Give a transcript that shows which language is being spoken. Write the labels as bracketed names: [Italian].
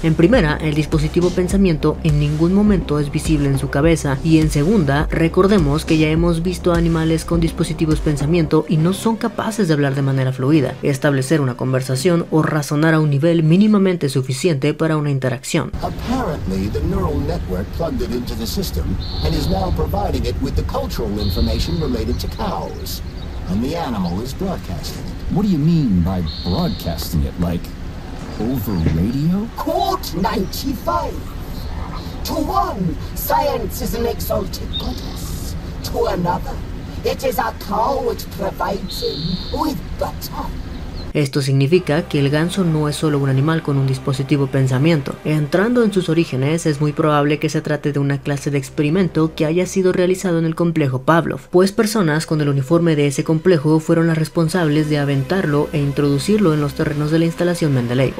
[Spanish] En primera, el dispositivo pensamiento en ningún momento es visible en su cabeza, y en segunda, recordemos que ya hemos visto animales con dispositivos pensamiento y no son capaces de hablar de manera fluida, establecer una conversación o razonar a un nivel mínimamente suficiente para una interacción. [English] Apparently, the neural network plugged it into the system and is now providing it with the cultural information related to cows. And the animal is broadcasting it. What do you mean by broadcasting it? Like over radio? Quote 95. To one, science is an exalted goddess. To another, it is a cow which provides him with butter. [Spanish] Esto significa que el ganso no es solo un animal con un dispositivo pensamiento. Entrando en sus orígenes, es muy probable que se trate de una clase de experimento que haya sido realizado en el complejo Pavlov, pues personas con el uniforme de ese complejo fueron las responsables de aventarlo e introducirlo en los terrenos de la instalación Mendeley.